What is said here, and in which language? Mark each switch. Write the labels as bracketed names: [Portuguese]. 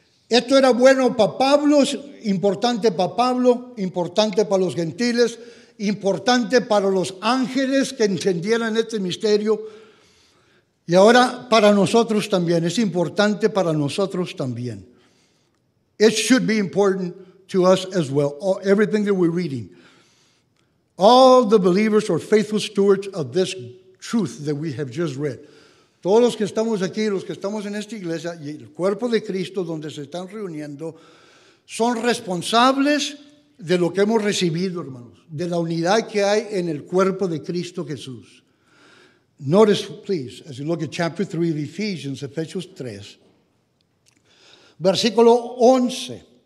[Spanish] Esto era bueno para Pablo, importante para Pablo, importante para los gentiles, importante para los ángeles que entendieran este misterio. Y ahora para nosotros también, es importante para nosotros también. [English] It should be important to us as well, everything that we're reading. All the believers are faithful stewards of this truth that we have just read. [Spanish] Todos los que estamos aquí, los que estamos en esta iglesia y el cuerpo de Cristo donde se están reuniendo, son responsables de lo que hemos recibido, hermanos, de la unidad que hay en el cuerpo de Cristo Jesús. [English] Notice, please, as you look at chapter 3 of Ephesians, Ephesians 3, versículo 11.